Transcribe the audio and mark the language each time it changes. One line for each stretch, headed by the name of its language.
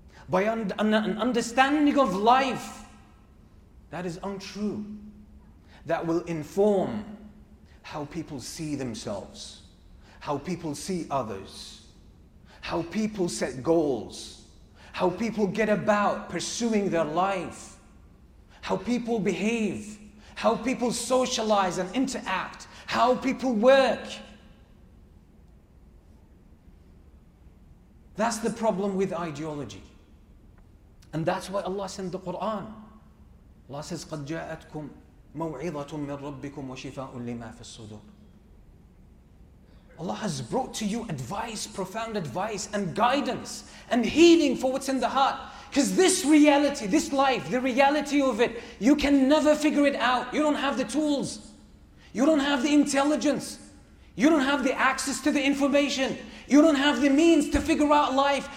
English: By an understanding of life that is untrue, that will inform how people see themselves, how people see others, how people set goals, how people get about pursuing their life, how people behave, how people socialize and interact, how people work. That's the problem with ideology. And that's why Allah sent the Quran. Allah says,
Arabic: قَدْ جَاءَتْكُمْ مَوْعِظَةٌ مِّن رَبِّكُمْ وَشِفَاءٌ لِمَا فِي الصُّدُورِ.
English: Allah has brought to you advice, profound advice and guidance and healing for what's in the heart. Because this reality, this life, the reality of it, you can never figure it out. You don't have the tools. You don't have the intelligence. You don't have the access to the information. You don't have the means to figure out life.